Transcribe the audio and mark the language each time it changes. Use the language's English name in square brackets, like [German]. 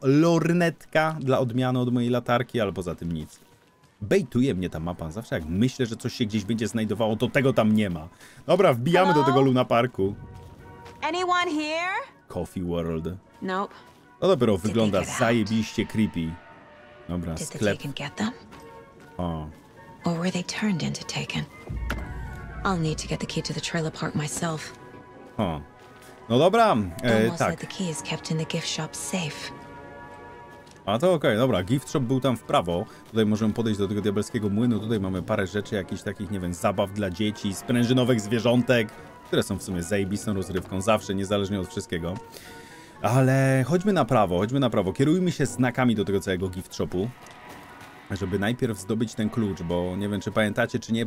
[Polish] Lornetka dla odmiany od mojej latarki, albo za tym nic. Bejtuje mnie ta mapa. Zawsze jak myślę, że coś się gdzieś będzie znajdowało, to tego tam nie ma. Dobra, wbijamy do tego Luna Parku. [English] Anyone here? Coffee World. Nope. [Polish] To dopiero wygląda zajebiście creepy. Dobra, sklep. O. [English] Or were they turned into Taken? I'll need to get the key to the trailer park myself. [Polish] O. No dobra, tak. [English] The key is kept in the gift shop safe. [Polish] A to okej, okay, dobra, gift shop był tam w prawo. Tutaj możemy podejść do tego diabelskiego młynu. Tutaj mamy parę rzeczy, jakichś takich, nie wiem, zabaw dla dzieci, sprężynowych zwierzątek, które są w sumie zajebistą rozrywką zawsze, niezależnie od wszystkiego. Ale chodźmy na prawo, chodźmy na prawo. Kierujmy się znakami do tego całego gift shopu, żeby najpierw zdobyć ten klucz, bo nie wiem, czy pamiętacie, czy nie.